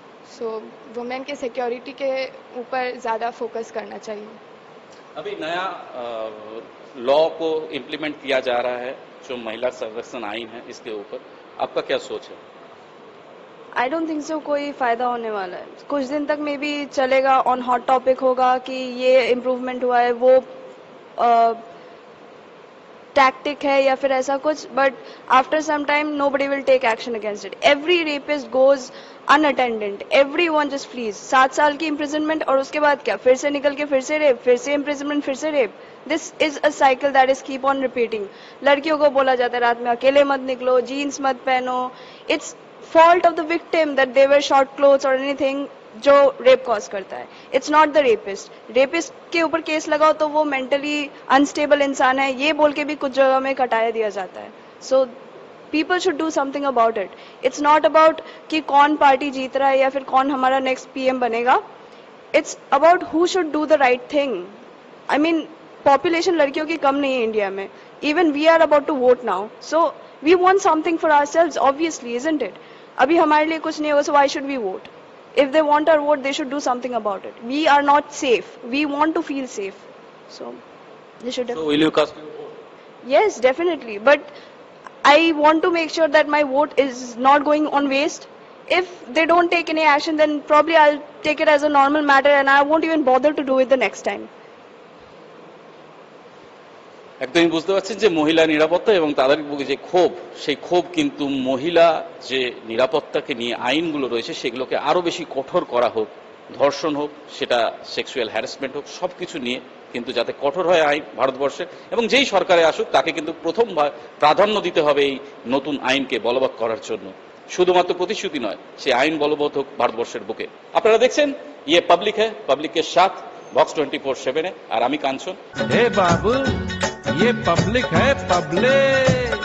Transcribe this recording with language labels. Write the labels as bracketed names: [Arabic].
[Hindi] So, women के security के ऊपर ज़्यादा focus करना चाहिए। अभी नया law को implement किया जा रहा है, जो महिला संरक्षण आईन है, इसके ऊपर आपका क्या सोच है? [English] I don't think so, [Hindi] कोई फायदा होने वाला है। कुछ दिन तक maybe चलेगा, on hot topic होगा कि ये improvement हुआ है, वो tactic है या फिर ऐसा कुछ, [English] but after some time nobody will take action against it. Every rapist goes unattended, everyone just flees. [Hindi] 7 साल की imprisonment और उसके बाद क्या, फिर से निकल के फिर से rape, फिर से imprisonment, फिर से rape. [English] This is a cycle that is keep on repeating. [Hindi] लड़कियों को बोला जाता है रात में अकेले मत निकलो, jeans मत पहनो, [English] it's fault of the victim that they wear short clothes or anything [Hindi] जो rape cause करता है, [English] it's not the rapist. [Hindi] Rapist के ऊपर केस लगाओ तो वो mentally unstable इंसान है ये बोल के भी कुछ जगह में कटाया दिया जाता है. [English] So people should do something about it. It's not about [Hindi] कि कौन पार्टी जीत रहा है या फिर कौन हमारा नेक्स्ट पीएम बनेगा, [English] it's about who should do the right thing. I mean population [Hindi] लड़कियों की कम नहीं है इंडिया में, [English] even we are about to vote now, so we want something for ourselves obviously, isn't it? [Hindi] अभी हमारे लिए कुछ नहीं होगा, [English] so why should we vote? If they want our vote, they should do something about it. We are not safe. We want to feel safe. So, they should definitely. So, will you cast your vote? Yes, definitely. But I want to make sure that my vote is not going on waste. If they don't take any action, then probably I'll take it as a normal matter and I won't even bother to do it the next time. [Bangla] একদমই বুঝতে পারছেন যে মহিলা নিরাপত্তা এবং তাদের যে ক্ষোভ, সেই ক্ষোভ কিন্তু মহিলা যে নিরাপত্তাকে নিয়ে আইনগুলো রয়েছে সেগুলোকে আরও বেশি কঠোর করা হোক, ধর্ষণ হোক, সেটা সেক্সুয়াল হ্যারাসমেন্ট হোক, সব কিছু নিয়ে কিন্তু যাতে কঠোর হয় আইন ভারতবর্ষে, এবং যেই সরকারে আসুক তাকে কিন্তু প্রথম প্রাধান্য দিতে হবে এই নতুন আইনকে বলবৎ করার জন্য। শুধুমাত্র প্রতিশ্রুতি নয়, সেই আইন বলবৎ হোক ভারতবর্ষের বুকে। আপনারা দেখছেন [Hindi] ইয়ে পাবলিক হ্যায় পাবলিক কে সাথ [Bangla] বক্স 24/7 এ, আর আমি কাঞ্চন। [Hindi] হে বাবু ये पब्लिक है पब्लिक।